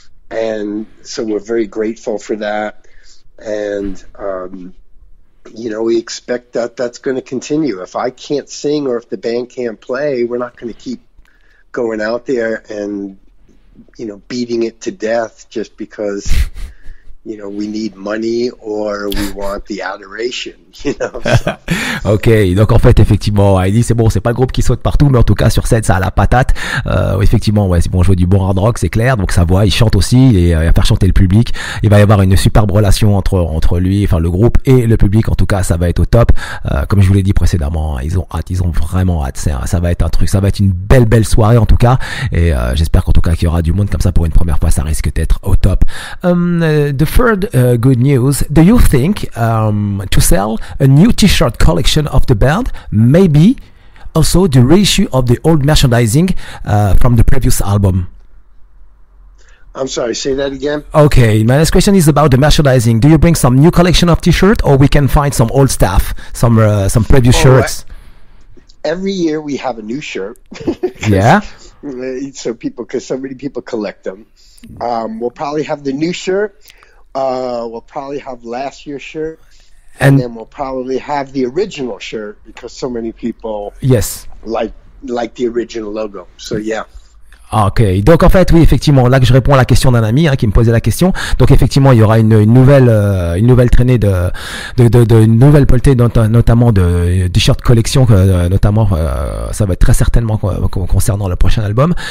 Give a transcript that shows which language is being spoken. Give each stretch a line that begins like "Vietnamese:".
English: And so we're very grateful for that. And, you know, we expect that that's going to continue. If I can't sing or if the band can't play, we're not going to keep going out there and, you know, beating it to death just because... You know, we need money or we want the adoration, you know. So.
French: Ok, donc en fait, effectivement, il dit c'est bon, c'est pas le groupe qui saute partout, mais en tout cas, sur scène, ça a la patate. Effectivement, ouais, c'est bon, jouer du bon hard rock, c'est clair. Donc sa voix, il chante aussi, il va faire chanter le public. Il va y avoir une superbe relation entre lui, enfin le groupe et le public. En tout cas, ça va être au top. Comme je vous l'ai dit précédemment, ils ont hâte, ils ont vraiment hâte. Ça va être un truc, ça va être une belle soirée en tout cas. Et j'espère qu'en tout cas, qu'il y aura du monde comme ça pour une première fois, ça risque d'être au top.
English: The third good news, do you think to sell a new t-shirt collection of the band, maybe also the reissue of the old merchandising from the previous album. I'm sorry, say that again. Okay, my next question is about the merchandising. Do you bring some new collection of t-shirts, or we can find some old stuff, some previous shirts? Every year we have a new shirt. Yeah. So people, because so many people collect them. We'll probably have the new shirt. We'll probably have last year's shirt. And then we'll probably have the original shirt, because so many people like the original logo. So, yeah.
French: Ok, donc en fait, oui, effectivement, là que je réponds à la question d'un ami hein, qui me posait la question. Donc effectivement, il y aura une nouvelle traînée de une nouvelle polletée, notamment de t-shirts collection, notamment ça va être très certainement concernant le prochain album.